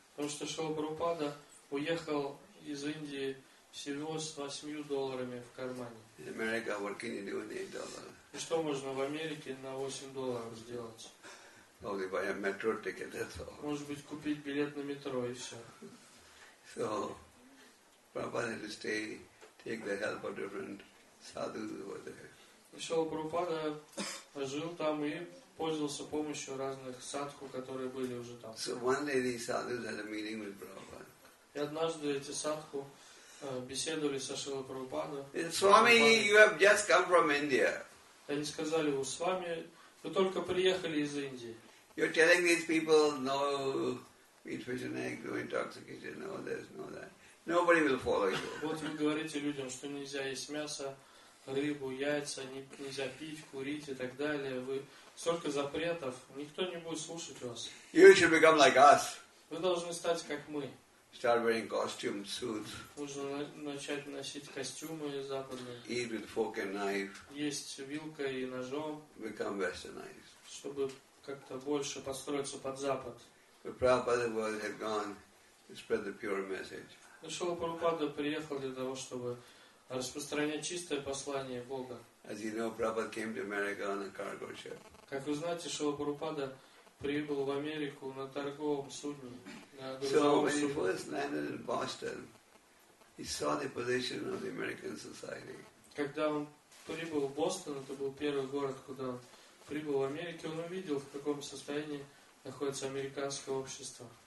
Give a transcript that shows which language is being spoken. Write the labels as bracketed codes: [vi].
[ru] Потому что Шрила Прабхупада уехал из Индии всего с $8 в кармане. [en] In America, what can you do with $8? [ru] И что можно в Америке на $8 сделать? [en] Only buy a metro ticket, that's all. [ru] Может быть, купить билет на метро и все. [en] So, Prabhupada had to stay, take the help of different sadhus over there. [ru] И Шрила Прабхупада жил там и пользовался помощью разных садху, которые были уже там. [en] So one day these sadhus had a meeting with Prabhupada. [ru] И однажды эти садху беседовали со Шрилой Прабхупадой. [en] Swami, you have just come from India. [ru] Они сказали, у Свами, вы только приехали из Индии. [en] You're telling these people, no meat, fish and egg, no intoxication, no this, no that. Nobody will follow you. [ru] Вот вы говорите людям, что нельзя есть мясо, рыбу, яйца, нельзя пить, курить и так далее. Вы столько запретов, никто не будет слушать вас. [en] You should become like us. [ru] Вы должны стать как мы. [en] Start wearing costume suits. [ru] Нужно начать носить костюмы западные. [en] Eat with fork and knife. [ru] Есть вилкой и ножом. [en] Become westernized. [ru] Чтобы как-то больше подстроиться под Запад. [en] But Prabhupada was had gone to spread the pure message. [ru] Шрила Прабхупада приехал для того, чтобы распространять чистое послание Бога. [en] As you know, Prabhupada came to America on a cargo ship. [ru] Как вы знаете, Шрила Прабхупада прибыл в Америку на торговом судне. Когда он прибыл в Бостон, это был первый город, куда он прибыл в Америке, он увидел, в каком состоянии находится американское общество.